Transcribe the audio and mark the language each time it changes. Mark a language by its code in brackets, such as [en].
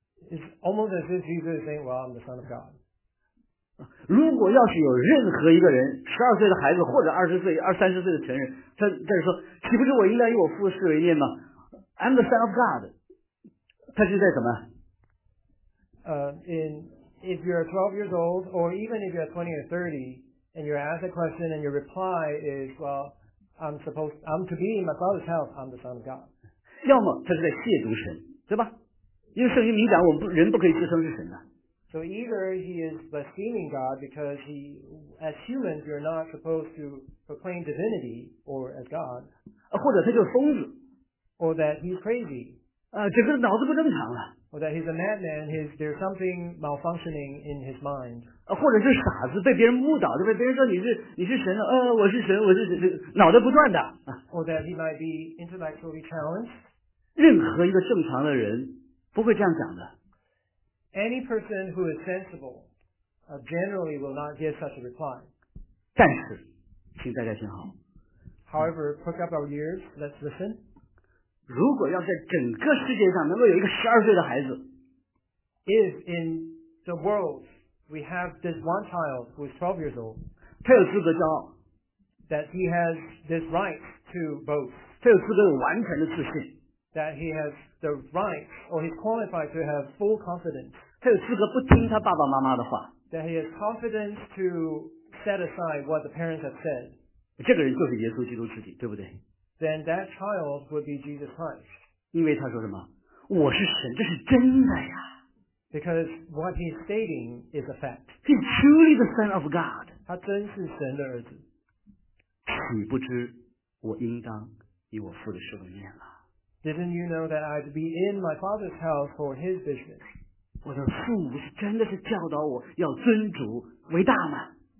[en] It's almost as if Jesus is saying, "Well, I'm the Son of God." [zh] 如果要是有任何一个人十二岁的孩子或者二十岁二三十岁的成人，他在这说，岂不是我应该以我父事为念吗？ [en] I'm the son of God. [zh] 他是在什么？ [en] If you're 12 years old, or even if you're 20 or 30, and you're asked a question and your reply is, well, I'm to be in my father's house, I'm the son of God. [zh] 要么他是在亵渎神，对吧？因为圣经明讲，我们人不可以自称是神的。 [en] So either he is blaspheming God because he, as humans, you're not supposed to proclaim divinity or as God. [zh] 或者他就是疯子。 [en] Or that he's crazy. [zh] 整个脑子不正常了。 [en] or that he's a madman, there's something malfunctioning in his mind. [zh] 或者是傻子被别人误导，对不对？别人说你是神，我是神，我是神，脑袋不转的。 [en] Or that he might be intellectually challenged. [zh] 任何一个正常的人不会这样讲的。 [en] Any person who is sensible, generally will not give such a reply. [zh] 但是，请大家听好。 [en] However, pick up our ears, let's listen. [zh] 如果要在整个世界上能够有一个十二岁的孩子 [en] ，If in the world we have this one child who is 12 years old， [zh] 他有资格骄傲 [en] ，That he has this right to boast， [zh] 他有资格有完全的自信 [en] ，That he has the right or he's qualified to have full confidence， [zh] 他有资格不听他爸爸妈妈的话 [en] ，That he has confidence to set aside what the parents have said， [zh] 这个人就是耶稣基督自己，对不对？ [en] Then that child would be Jesus Christ. 因为他说什么？我是神，这是真的呀。 Because what he's stating is a fact. He's truly the Son of God. [zh] 他真是神的儿子。岂不知我应当以我父的事为念了。 Didn't you know that I'd be in my father's house for his business? 我的父母是真的是教导我要尊主为大吗？